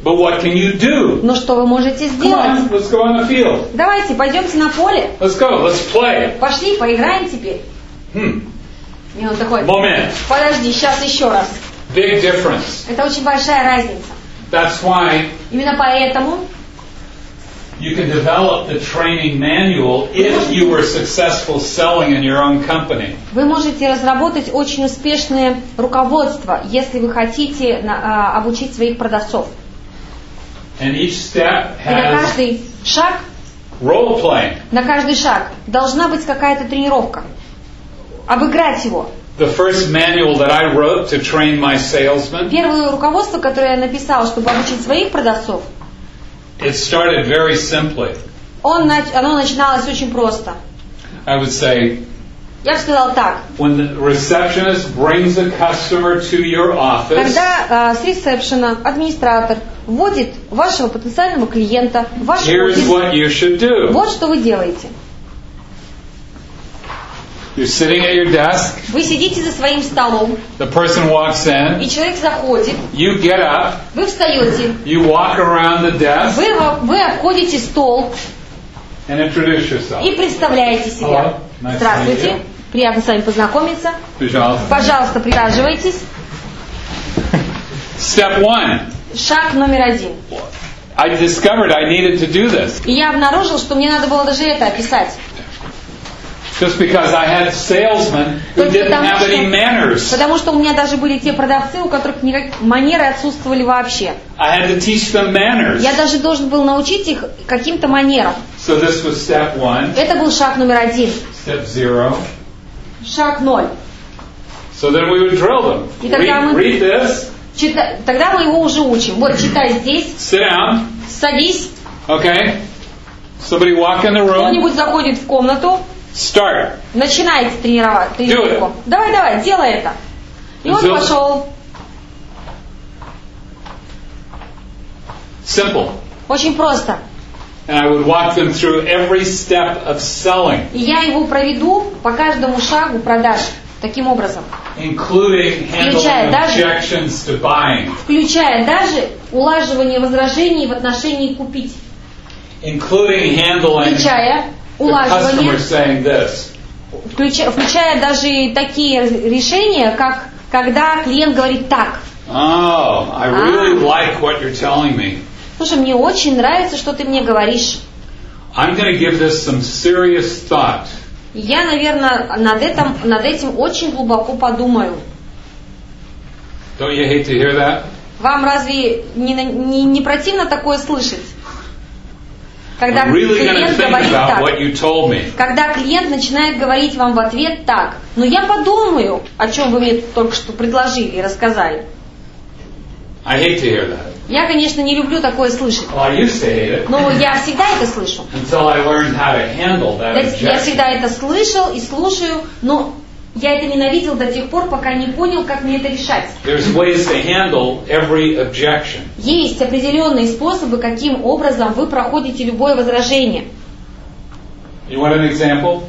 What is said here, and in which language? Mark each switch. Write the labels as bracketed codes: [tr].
[en] But what can you do? [ru] Но что вы можете сделать? [en] Come on, let's go on the field. [ru] Давайте, пойдемте на поле. [en] Let's go, let's play. [ru] Пошли, поиграем теперь. Hmm. И он такой, [en] Moment. [ru] Подожди, сейчас еще раз. [en] Big difference. [ru] Это очень большая разница. [en] That's why. [ru] Именно поэтому. [en] You can develop the training manual if you were successful selling in your own company. [ru] Вы можете разработать очень успешное руководство, если вы хотите обучить своих продавцов. [en] And each step has. [ru] На каждый шаг. [en] Role playing. [ru] На каждый шаг должна быть какая-то тренировка. Обыграть его. [en] The first manual that I wrote to train my salesman. [ru] Первое руководство, которое я написал, чтобы обучить своих продавцов. [en] It started very simply. [ru] Оно начиналось очень просто. [en] I would say. [ru] Я бы сказал так. [en] When the receptionist brings a customer to your office. [ru] Когда с ресепшена администратор вводит вашего потенциального клиента в ваш офис. [en] Here's what you should do. [ru] Вот что вы делаете. [en] You're sitting at your desk. [ru] Вы сидите за своим столом. [en] The person walks in. [ru] И человек заходит. [en] You get up. [ru] Вы встаете. [en] You walk around the desk. [ru] Вы обходите стол. [en] And introduce yourself. [ru] И представляете себя. [en] Hello. Nice [ru] Здравствуйте. [en] To meet you. [ru] Приятно с вами познакомиться. Пожалуйста. Пожалуйста, присаживайтесь. [en] Step one. [ru] Шаг номер один. [en] I discovered I needed to do this. [ru] И я обнаружил, что мне надо было даже это описать. [en] Just because I had salesmen who didn't have any manners. [ru] Потому что у меня даже были те продавцы, у которых манеры отсутствовали вообще. [en] I had to teach them manners. [ru] Я даже должен был научить их каким-то манерам. [en] So this was step one. [ru] Это был шаг номер один. [en] Step zero. [ru] Шаг ноль. [en] So then we would drill them. Read this. [ru] Тогда мы его уже учим. Вот читай здесь. [en] Sit down. [ru] Садись. [en] Okay. Somebody walk in the room. [ru] Кто-нибудь заходит в комнату. [en] Start. [ru] Начинайте тренировку. Давай, давай, делай это. И он пошел. [en] Simple. [ru] Очень просто. [en] And I would walk them through every step of selling. [ru] И я его проведу по каждому шагу продаж таким образом. [en] Including handling objections to buying. [ru] Включая даже улаживание возражений в отношении купить. [en] Including handling. [ru] Включая. Включая даже такие решения, как когда клиент говорит так. Слушай, мне очень нравится, что ты мне говоришь. Я, наверное, над этим очень глубоко подумаю. [en] Don't you hate to hear that? [ru] Вам разве не противно такое слышать? Когда клиент начинает говорить вам в ответ так, но я подумаю, о чем вы мне только что предложили и рассказали. [en] I hate to hear that. [ru] Я, конечно, не люблю такое слышать. [en] Well, I used to hate it. [ru] Но я всегда это слышу. [en] Until I learned how to handle that objection. [ru] Я всегда это слышал и слушаю, но Я это ненавидел до тех пор, пока не понял, как мне это решать. [en] There's ways to handle every objection. [ru] Есть определенные способы, каким образом вы проходите любое возражение. [en] You want an example?